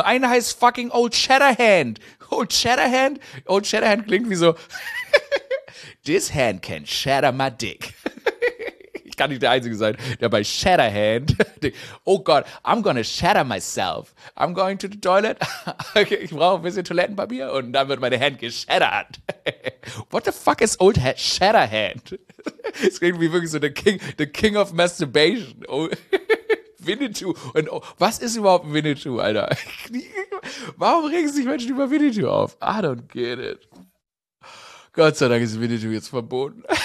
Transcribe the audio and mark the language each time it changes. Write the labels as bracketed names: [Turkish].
[German] Einer heißt fucking Old Shatterhand? Old Shatterhand klingt wie so [English] This hand can shatter my dick. [German] Ich kann nicht der Einzige sein, der bei Shatterhand oh Gott, [English] I'm gonna shatter myself. I'm going to the toilet. [German] Okay, ich brauche ein bisschen Toilettenpapier und dann wird meine Hand geshattert. [English] What the fuck is old Shatterhand? [German] Es klingt wie wirklich so [English] the king of masturbation. [German] Oh, Winnetou. Und oh, was ist überhaupt Winnetou, Alter? Warum regen sich Menschen über Winnetou auf? [English] I don't get it. [German] Gott sei Dank ist Winnetou jetzt verboten.